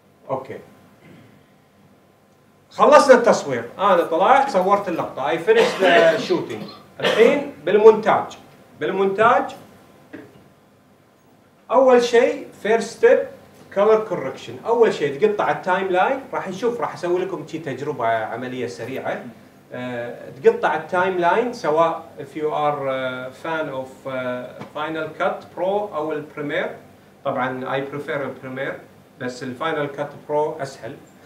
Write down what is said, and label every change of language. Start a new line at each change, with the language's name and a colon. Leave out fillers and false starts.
Arabic: اوكي خلصنا التصوير، انا طلعت صورت اللقطه،
English: I finish the shooting.
Arabic: الحين بالمونتاج اول شيء
English: First step colour correction.
Arabic: اول شيء تقطع التايم لاين، راح نشوف راح اسوي لكم شي تجربه عمليه سريعه. تقطع التايم لاين سواء
English: if you are fan of Final Cut Pro
Arabic: او البريمير. طبعا
English: I prefer
Arabic: البريمير بس الفاينل كات برو اسهل.